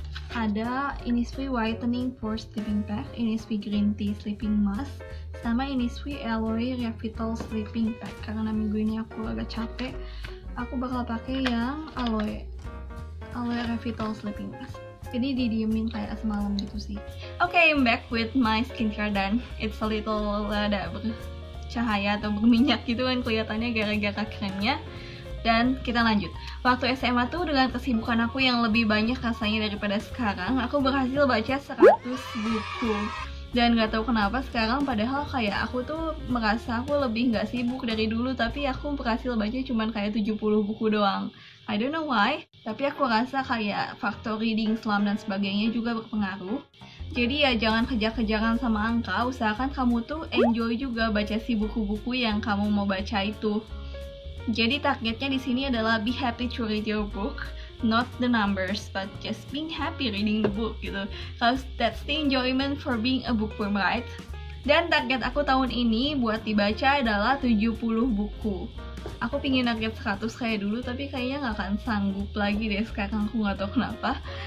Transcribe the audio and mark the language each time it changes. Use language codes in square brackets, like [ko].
[id] Ada Innisfree Whitening Pore Sleeping Pack, Innisfree Green Tea Sleeping Mask, sama Innisfree Aloe Revital Sleeping Pack. Karena minggu ini aku agak capek, aku bakal pakai yang Aloe Revital Sleeping Mask. Jadi didiemin kayak semalam gitu sih. [en] Okay, I'm back with my skincare done. It's a little [id] ada bercahaya atau berminyak gitu kan kelihatannya gara-gara kremnya. Dan kita lanjut. Waktu SMA tuh dengan kesibukan aku yang lebih banyak rasanya daripada sekarang, aku berhasil baca 100 buku. Dan gak tahu kenapa sekarang padahal kayak aku tuh merasa aku lebih gak sibuk dari dulu, tapi aku berhasil baca cuman kayak 70 buku doang. [en] I don't know why, [id] tapi aku rasa kayak faktor reading slump dan sebagainya juga berpengaruh. Jadi ya jangan kejar-kejaran sama angka, usahakan kamu tuh enjoy juga baca si buku-buku yang kamu mau baca itu. Jadi targetnya di sini adalah [en] be happy to read your book, not the numbers, but just being happy reading the book gitu. Cause that's the enjoyment for being a bookworm, right? [id] Dan target aku tahun ini buat dibaca adalah 70 buku. Aku pingin target 100 kayak dulu, tapi kayaknya gak akan sanggup lagi deh sekarang, aku gak tahu kenapa.